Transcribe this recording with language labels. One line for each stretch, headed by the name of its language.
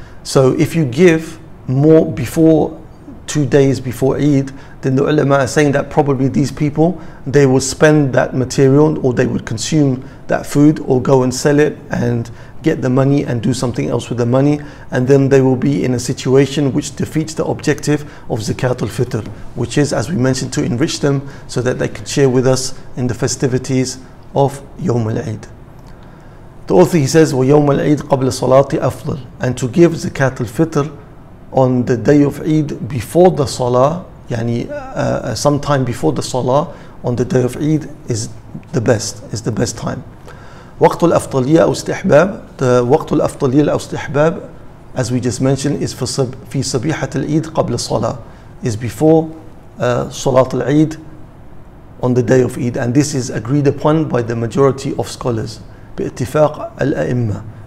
English: So if you give more before 2 days before Eid, then the ulama are saying that probably these people, they will spend that material, or they would consume that food, or go and sell it and get the money and do something else with the money, and then they will be in a situation which defeats the objective of zakat al-fitr, which is, as we mentioned, to enrich them so that they can share with us in the festivities of Yawm al-Eid. The author, he says,
Arabic: وَيَوْمَ الْعِيدِ قَبْلَ صَلَاتِ أَفْضَلِ.
English: And to give zakat al-fitr on the day of Eid before the salah, sometime before the salah on the day of Eid, is the best time.
Arabic: وقت الأفضلية أو استحباب.
English: The
Arabic: وقت الأفضلية أو استحباب,
English: as we just mentioned, is
Arabic: في صبيحة العيد قبل الصلاة,
English: is before صلاة العيد on the day of Eid, and this is agreed upon by the majority of scholars.
Arabic: بإتفاق الأئمة.